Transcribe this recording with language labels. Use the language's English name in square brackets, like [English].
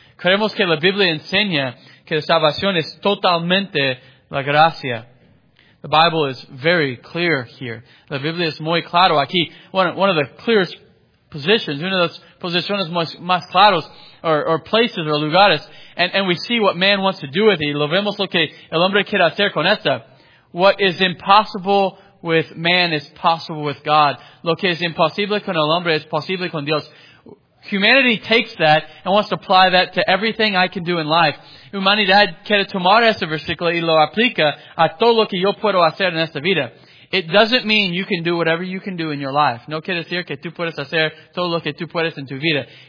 [Spanish] Creemos que la Biblia enseña que la salvación es totalmente la gracia. [English] The Bible is very clear here. [Spanish] La Biblia es muy claro aquí. [English] One of the clearest positions, [Spanish] una de las posiciones más claros, [English] or places or [Spanish] lugares, [English] and we see what man wants to do with it. [Spanish] Lo vemos lo que el hombre quiere hacer con esta. [English] What is impossible with man is possible with God. [Spanish] Lo que es imposible con el hombre es posible con Dios. [English] Humanity takes that and wants to apply that to everything I can do in life. [Spanish] Humanidad quiere tomar ese versículo y lo aplica a todo lo que yo puedo hacer en esta vida. [English] It doesn't mean you can do whatever you can do in your life. [Spanish] No quiere decir que tú puedes hacer todo lo que tú puedes en tu vida.